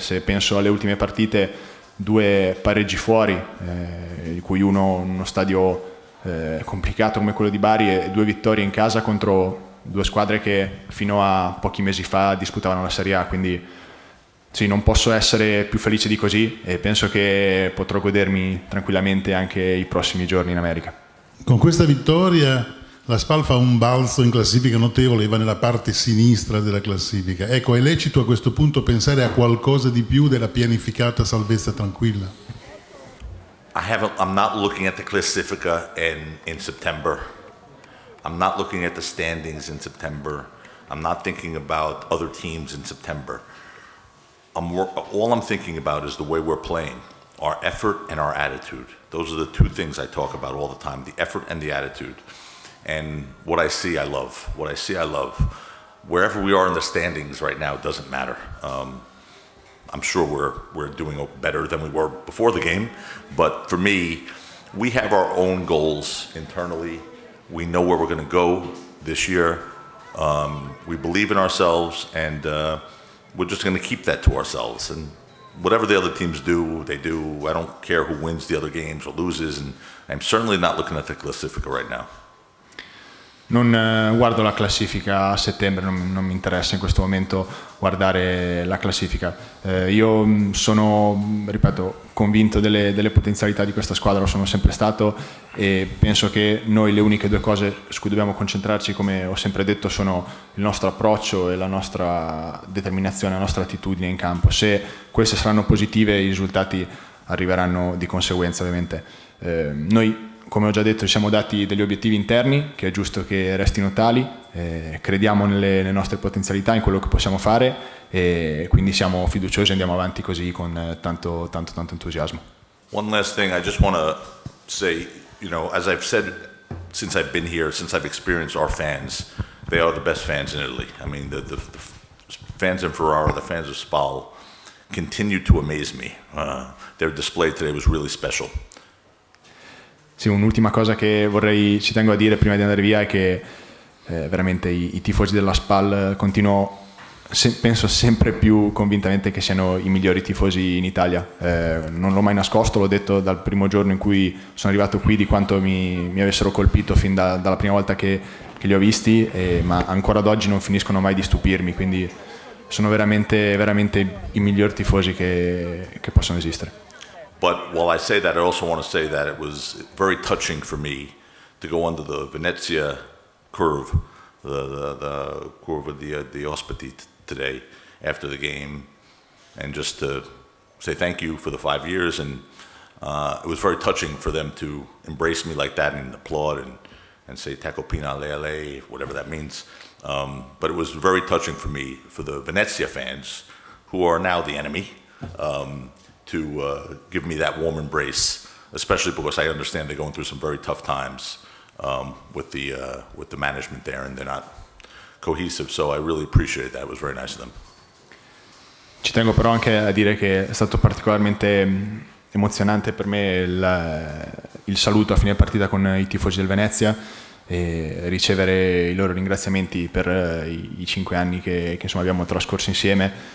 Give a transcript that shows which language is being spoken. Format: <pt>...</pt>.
<it>Se penso alle ultime partite, due pareggi fuori, di cui uno in uno stadio complicato come quello di Bari, e due vittorie in casa contro due squadre che fino a pochi mesi fa disputavano la Serie A, quindi sì, non posso essere più felice di così e penso che potrò godermi tranquillamente anche i prossimi giorni in America. Con questa vittoria la SPAL fa un balzo in classifica notevole e va nella parte sinistra della classifica. Ecco, è lecito a questo punto pensare a qualcosa di più della pianificata salvezza tranquilla?</it> <en>I'm not looking at the classifica in September. I'm not looking at the standings in September. I'm not thinking about other teams in September. All I'm thinking about is the way we're playing, our effort and our attitude. Those are the two things I talk about all the time, the effort and the attitude. And what I see, I love. What I see, I love. Wherever we are in the standings right now, it doesn't matter. I'm sure we're doing better than we were before the game. But for me, we have our own goals internally. We know where we're going to go this year. We believe in ourselves, and we're just going to keep that to ourselves. And whatever the other teams do, they do. I don't care who wins the other games or loses, and I'm certainly not looking at the classifica right now.</en> <it>Non guardo la classifica a settembre, non mi interessa in questo momento guardare la classifica. Io sono, ripeto, convinto delle potenzialità di questa squadra, lo sono sempre stato, e penso che noi le uniche due cose su cui dobbiamo concentrarci, come ho sempre detto, sono il nostro approccio e la nostra determinazione, la nostra attitudine in campo. Se queste saranno positive, i risultati arriveranno di conseguenza, ovviamente. Noi, come ho già detto, ci siamo dati degli obiettivi interni, che è giusto che restino tali, crediamo nelle nostre potenzialità, in quello che possiamo fare, e quindi siamo fiduciosi e andiamo avanti così con tanto, tanto, tanto entusiasmo.</it> <en>One last thing, I just want to say, you know, as I've said since I've been here, since I've experienced our fans, they are the best fans in Italy. I mean, the fans in Ferrara, the fans of Spal, continue to amaze me. Their display today was really special.</en> <it>Sì, un'ultima cosa che vorrei, ci tengo a dire prima di andare via è che veramente i tifosi della Spal continuo, penso sempre più convintamente che siano i migliori tifosi in Italia. Non l'ho mai nascosto, l'ho detto dal primo giorno in cui sono arrivato qui, di quanto mi avessero colpito fin dalla prima volta che li ho visti, ma ancora ad oggi non finiscono mai di stupirmi, quindi sono veramente, veramente i migliori tifosi che possono esistere.</it> <en>But while I say that, I also want to say that it was very touching for me to go under the Venezia curve, the curve of the ospiti today after the game, and just to say thank you for the 5 years. And it was very touching for them to embrace me like that and applaud and say "Tacco Pina Lele," whatever that means. But it was very touching for me, for the Venezia fans, who are now the enemy, to give me that warm embrace, especially because I understand they're going through some very tough times with the management there, and they're not cohesive. So I really appreciate that. It was very nice of them.</en> <it>Ci tengo però anche a dire che è stato particolarmente emozionante per me il saluto a fine partita con i tifosi del Venezia e ricevere i loro ringraziamenti per i 5 anni che insomma abbiamo trascorso insieme.</it>